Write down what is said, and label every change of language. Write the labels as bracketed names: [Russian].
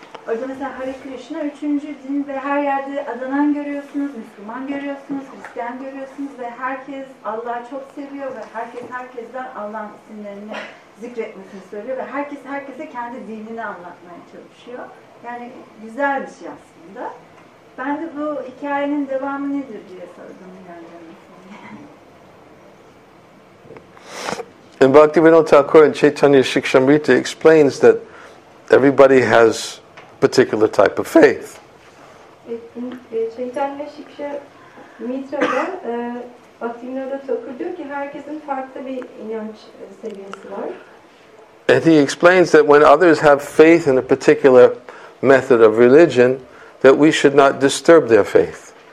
[Turkish] Orada mesela Hare Krishna üçüncü din ve her yerde adanan görüyorsunuz, Müslüman görüyorsunuz, Hristiyan görüyorsunuz ve herkes Allah'ı çok seviyor ve herkes herkesten Allah'ın isimlerini zikretmesini söylüyor ve herkes herkese kendi dinini anlatmaya çalışıyor. Yani güzel bir şey aslında. Ben de bu hikayenin devamı nedir diye sordum yani. [English] And Bhaktivinoda Thakur in Chaitanya Shikshamrita explains that everybody has a particular type of faith. [Turkish] In Chaitanya Shikshamrita'da Bhaktivinoda Thakur diyor ki herkesin farklı bir inanç seviyesi var. [English] And he explains that when others have faith in a particular method of religion, that we should not disturb their faith.